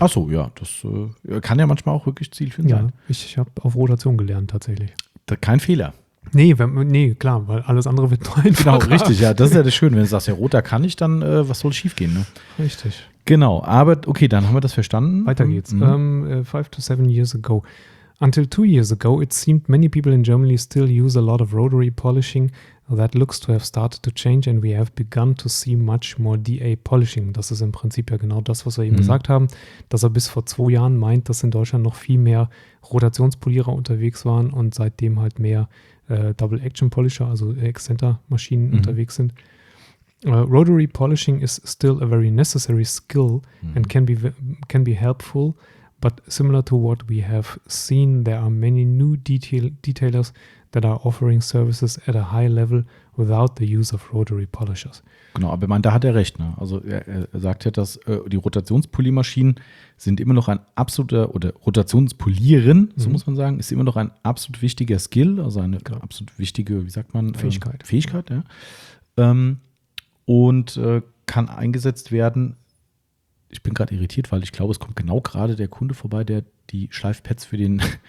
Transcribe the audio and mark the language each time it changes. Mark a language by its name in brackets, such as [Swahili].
[German] Ach so, ja, das kann ja manchmal auch wirklich zielführend sein. Ja, ich habe auf Rotation gelernt tatsächlich. Kein Fehler. Nee, klar, weil alles andere wird neu. Genau, richtig, ja, das ist ja das Schöne, wenn du sagst, ja, roter kann ich, dann was soll schief gehen, ne? Richtig. Genau, aber okay, dann haben wir das verstanden. Weiter geht's. [English] 5 to 7 years ago. Until 2 years ago, it seemed many people in Germany still use a lot of rotary polishing. That looks to have started to change and we have begun to see much more DA polishing. [German] Das ist im Prinzip ja genau das, was wir eben gesagt haben, dass er bis vor 2 Jahren meint, dass in Deutschland noch viel mehr Rotationspolierer unterwegs waren und seitdem halt mehr Double Action Polisher, also Exzenter Maschinen unterwegs sind. [English] Rotary polishing is still a very necessary skill and can be helpful, But similar to what we have seen, there are many new detailers that are offering services at a high level without the use of rotary polishers. [German] Genau, aber ich meine, da hat er recht. Ne? Also er sagt ja, dass die Rotationspoliermaschinen sind immer noch ein absoluter, oder Rotationspolieren, so muss man sagen, ist immer noch ein absolut wichtiger Skill, also eine absolut wichtige, wie sagt man? Fähigkeit. Fähigkeit, ja. Und kann eingesetzt werden. Ich bin gerade irritiert, weil ich glaube, es kommt genau gerade der Kunde vorbei, der die Schleifpads für den